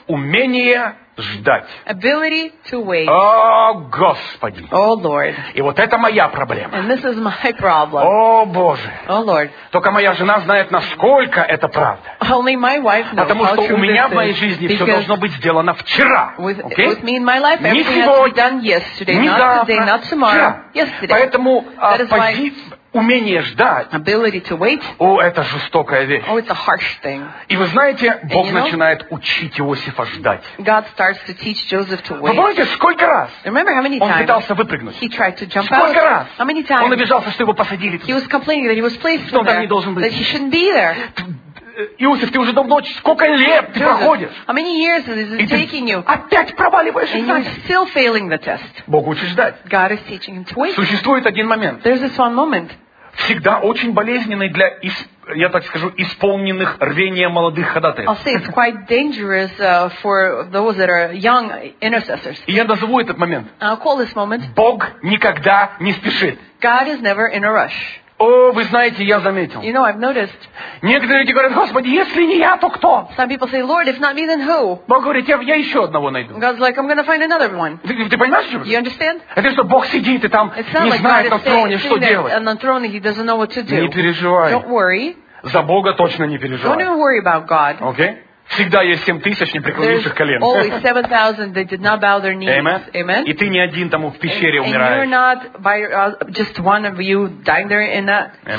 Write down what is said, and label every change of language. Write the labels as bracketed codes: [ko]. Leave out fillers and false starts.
[ru] Умение ждать. [en] Ability to wait. [ru] О, Господи. [en] О, Lord. [ru] И вот это моя проблема. [en] And this is my problem. [ru] О, Боже. [en] О, Lord. [ru] Только моя жена знает, насколько это правда. [en] Only my wife knows. [ru] Потому что у меня в моей жизни все должно быть сделано вчера. [en] Okay? With me in my life, everything has to be done yesterday, not today, not tomorrow. Yesterday. [ru] Поэтому умение ждать. [en] Ability to wait. [ru] О, это жестокая вещь. [en] Oh, it's a harsh thing. [ru] И вы знаете, Бог начинает учить Иосифа ждать. [en] God starts to teach Joseph to wait. [ru] Вы помните, сколько раз? [en] Remember how many times? [ru] Он пытался выпрыгнуть. [en] He tried to jump [ru] сколько [en] out. [ru] Сколько раз? [en] How many times? [ru] Он обижался, что его посадили туда. [en] He was complaining that he was placed [ru] что [en] there. [ru] Что там не должен быть? [en] That he shouldn't be there. [ru] Иосиф, ты уже давно, сколько лет ты [en] Joseph, [ru] проходишь? [en] How many years is it taking you? [ru] Опять проваливаешь экзамен. [en] And you're still failing the test. [ru] Бог учит ждать. [en] God is teaching him to wait. [ru] Существует один момент. [en] There's this one moment. [ru] Всегда очень болезненный для, я так скажу, исполненных рвения молодых ходатаев. [en] I'll say it's quite dangerous for those that are young intercessors. [ru] И я назову этот момент. [en] I'll call this moment. [ru] Бог никогда не спешит. [en] God is never in a rush. [ru] О, вы знаете, я заметил. [en] You know, I've noticed. [ru] Некоторые люди говорят, Господи, если не я, то кто? [en] Some people say, Lord, if not me, then who? [ru] Бог говорит, я еще одного найду. [en] God's like, I'm gonna find another one. [ru] Ты понимаешь, что? [en] You understand? [ru] Это что, Бог сидит и там не знает на троне, что делать? [en] On the throne, he doesn't know what to do. [ru] Не переживай. [en] Don't worry. [ru] За Бога точно не переживай. [en] Don't even worry about God. Okay? [ru] Всегда есть 7000 непреклонивших колен. [en] Always 7000 that did not bow their knees. Amen. Amen. [ru] И ты не один там в пещере умираешь. [en] And you're not by just one of you dying there in that cave.